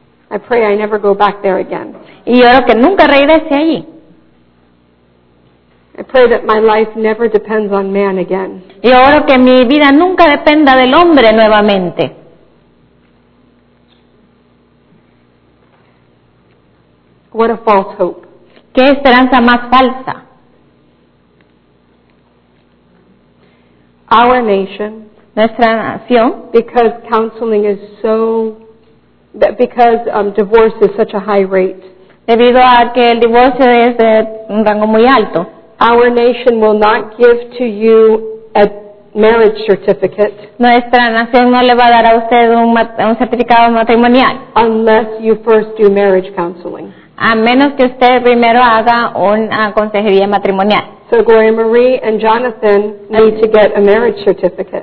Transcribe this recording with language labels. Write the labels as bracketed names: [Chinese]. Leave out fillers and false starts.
[English] I pray I never go back there again. [Spanish] Y oro que nunca regrese allí. [English] I pray that my life never depends on man again. [Spanish] Y oro que mi vida nunca dependa del hombre nuevamente. [English] What a false hope. [Spanish] Qué esperanza más falsa. [English] Our nation, [Spanish] nuestra nación, [English] because counseling is so, because divorce is such a high rate. [Spanish] Debido a que el divorcio es de un rango muy alto. [English] Our nation will not give to you a marriage certificate. [Spanish] Nuestra nación no le va a dar a usted un certificado matrimonial. [English] Unless you first do marriage counseling. [Spanish] A menos que usted primero haga una consejería matrimonial. [English] So Gloria Marie and Jonathan need to get a marriage certificate.